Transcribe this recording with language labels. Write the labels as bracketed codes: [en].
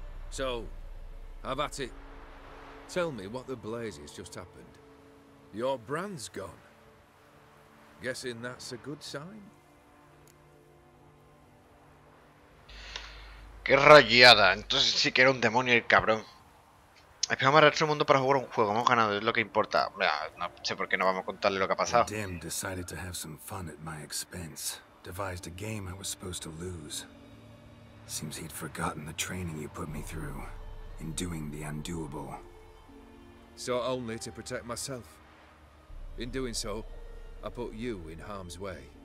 [en] So, have at it. Tell me what the blazes just happened. Your brand's gone. Guessing that's a good sign? [es] ¡Qué rayada! Entonces sí que era un demonio el cabrón. Esperamos arreglar otro mundo para jugar un juego. Hemos ganado, es lo que importa. No sé por qué no vamos a contarle lo que ha pasado. [en] Dem decided to have some fun at my expense. Devised a game I was supposed to lose. Seems he'd forgotten the training you put me through in doing the undoable. So only to protect myself. In doing so, I put you in harm's way.